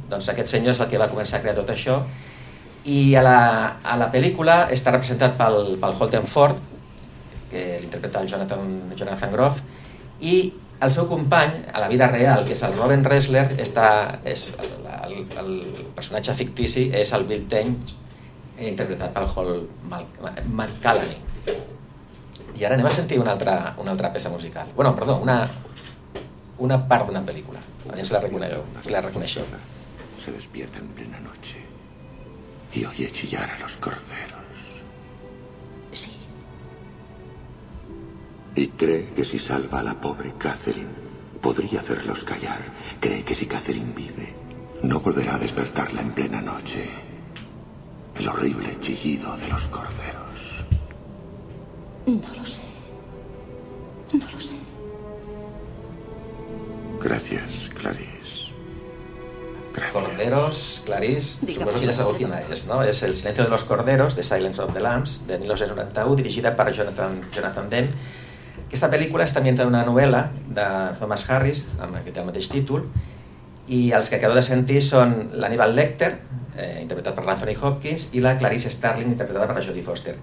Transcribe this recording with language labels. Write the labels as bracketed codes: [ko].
[ca] Doncs aquest senyor és el que va començar a crear tot això. I a la pel·lícula està representat pel Holden Ford, que l'interpreta el Jonathan Groff, i el seu company a la vida real, que és el Robin Ressler, el personatge fictici és el Bill Tench, interpretat pel Hall McCallany. I ara anem a sentir una altra peça musical. Bueno, perdó, una part d'una pel·lícula. A veure si la reconeixeu. [es] Se despierta en plena noche y oye chillar a los corderos. Sí. Y cree que si salva a la pobre Catherine, podría hacerlos callar. Cree que si Catherine vive, no volverá a despertarla en plena noche. El horrible chillido de los corderos. No lo sé. No lo sé. Gracias, Clarice. Gracias. Corderos, Clarice, digamos, supongo que ya sabéis quién es, ¿no? Es El silencio de los corderos, The Silence of the Lambs, de 1991, dirigida por Jonathan Demme. [ca] Aquesta pel·lícula està ambientada en una novel·la de Thomas Harris, que té el mateix títol, i els que acabo de sentir són l'Aníbal Lecter, interpretat per Anthony Hopkins, i la Clarice Starling, interpretada per Jodie Foster.